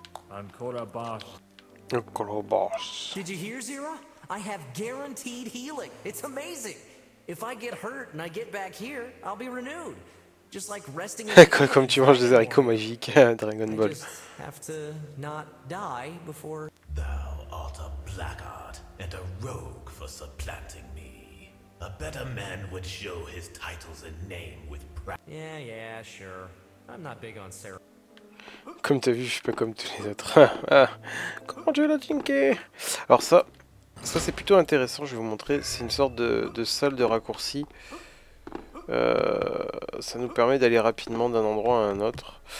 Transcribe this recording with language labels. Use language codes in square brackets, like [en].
[en] Ancora boss. Ancora boss. Did you hear, Zera? I have guaranteed healing. It's amazing. If I get hurt and I get back here, I'll be renewed. Just like resting [fr] in comme tu manges des haricots magiques à Dragon Ball. [en] I just have to not die before. Thou art a blackguard and a rogue for supplanting me. A better man would show his titles and name with pride. Yeah, yeah, sure. I'm not big on Sarah. [fr] Comme t'as vu, je suis pas comme tous les autres. Comment tu veux la jinker? Alors ça. Ça c'est plutôt intéressant, je vais vous montrer, c'est une sorte de salle de raccourci. Ça nous permet d'aller rapidement d'un endroit à un autre.